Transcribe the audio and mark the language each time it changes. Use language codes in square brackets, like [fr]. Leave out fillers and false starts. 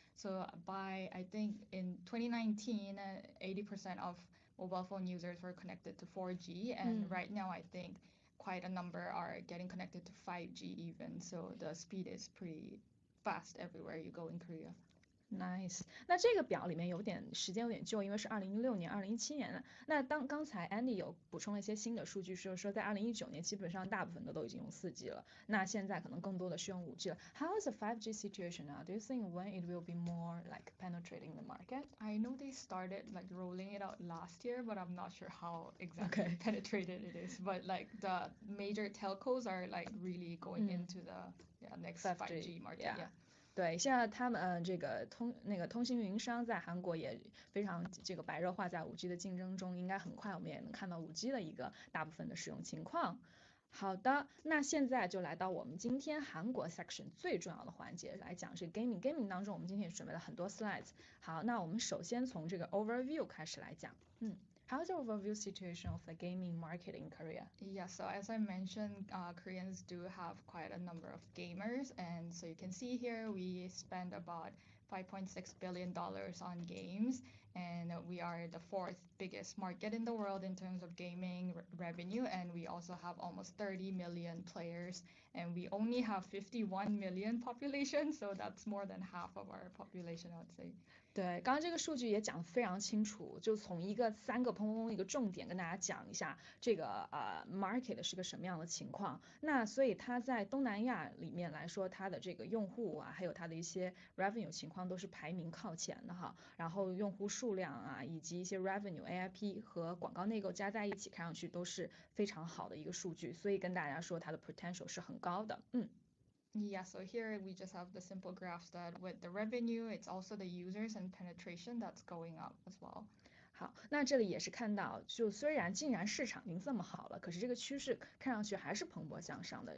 [en] So by, I think, in 2019, 80% of mobile phone users were connected to 4G. And right now, I think quite a number are getting connected to 5G even. So the speed is pretty fast everywhere you go in Korea. [zh] Nice， 那这个表里面有点时间有点旧，因为是2016年、2017年。那刚才 Andy 有补充了一些新的数据，说在2019年基本上大部分的都已经用 4G 了，那现在可能更多的是用 5G 了。 [en] How is the 5G situation now? Do you think when it will be more like penetrating the market? I know they started like rolling it out last year, but I'm not sure how exactly okay. penetrated it is. But like the major telcos are like really going into the next 5G market. Yeah. [zh] 对，现在他们这个通信运营商在韩国也非常这个白热化，在 5G 的竞争中，应该很快我们也能看到 5G 的一个大部分的使用情况。好的，那现在就来到我们今天韩国 section 最重要的环节，来讲这个 gaming 当中，我们今天也准备了很多 slides。好，那我们首先从这个 overview 开始来讲， [en] How's the overview situation of the gaming market in Korea? Yeah, so as I mentioned, Koreans do have quite a number of gamers. And so you can see here, we spend about $5.6 billion on games. And we are the fourth biggest market in the world in terms of gaming revenue. And we also have almost 30 million players. And we only have 51 million population. So that's more than half of our population, I would say. [zh] 对，刚刚这个数据也讲得非常清楚，就从一个三个砰砰砰一个重点跟大家讲一下这个market 是个什么样的情况。那所以它在东南亚里面来说，它的这个用户啊，还有它的一些 revenue 情况都是排名靠前的哈。然后用户数量啊，以及一些 revenue AIP 和广告内购加在一起，看上去都是非常好的一个数据。所以跟大家说，它的 potential 是很高的， [en] Yeah, so here we just have the simple graphs that with the revenue, it's also the users and penetration that's going up as well. [zh] 好，那这里也是看到，就虽然竟然市场已经这么好了，可是这个趋势看上去还是蓬勃向上的。